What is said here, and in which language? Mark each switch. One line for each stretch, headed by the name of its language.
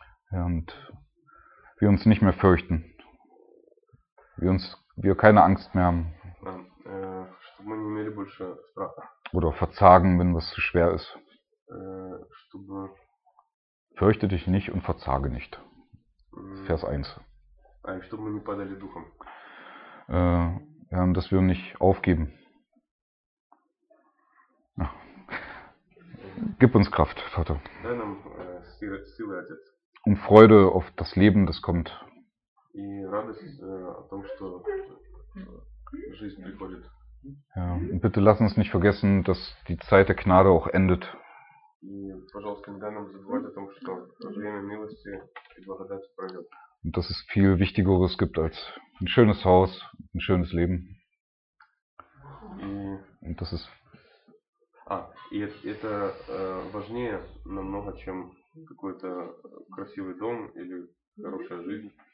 German: Ja, und wir uns nicht mehr fürchten. Wir keine Angst mehr haben.
Russian: Чтобы мы не имели больше страха.
German: Oder verzagen, wenn was zu schwer ist.
Russian: Чтобы...
German: Fürchte dich nicht und verzage nicht. Vers 1.
Russian: Чтобы мы не падали духом.
German: Dass wir nicht aufgeben. Gib uns Kraft, Vater.
Russian: Дай нам, силы, отец.
German: Und Freude auf das Leben, das kommt.
Russian: И радость о том, что жизнь приходит.
German: Ja, bitte lass uns nicht vergessen, dass die Zeit der Gnade auch endet.
Russian: И, пожалуйста, не дай нам забывать о том, что время милости и благодати пройдет.
German: Und dass es viel Wichtigeres gibt als ein schönes Haus, ein schönes Leben. Und das ist...
Russian: И это важнее намного, чем какой-то красивый дом или хорошая жизнь.